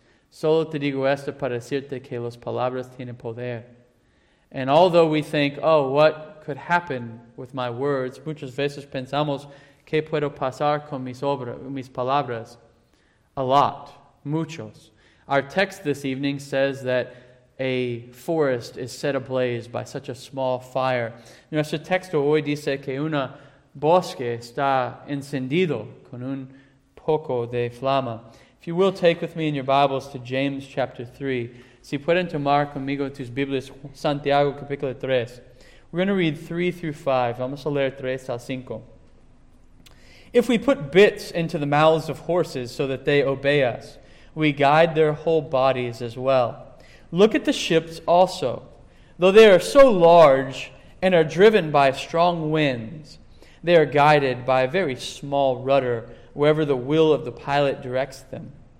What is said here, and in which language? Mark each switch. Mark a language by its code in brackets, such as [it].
[es] Solo te digo esto para decirte que las palabras tienen poder. [en] And although we think, oh, what could happen with my words? [es] Muchas veces pensamos, ¿qué puedo pasar con mis palabras? [en] A lot, [es] muchos. [en] Our text this evening says that a forest is set ablaze by such a small fire. [es] Nuestro texto hoy dice que una bosque está encendido con un poco de flama. [en] If you will, take with me in your Bibles to James chapter 3. [es] Si pueden tomar conmigo tus Biblias, Santiago capítulo 3. [en] We're going to read 3 through 5. [es] Vamos a leer 3 al 5. [en] If we put bits into the mouths of horses so that they obey us, we guide their whole bodies as well. Look at the ships also. Though they are so large and are driven by strong winds, they are guided by a very small rudder wherever the will of the pilot directs them.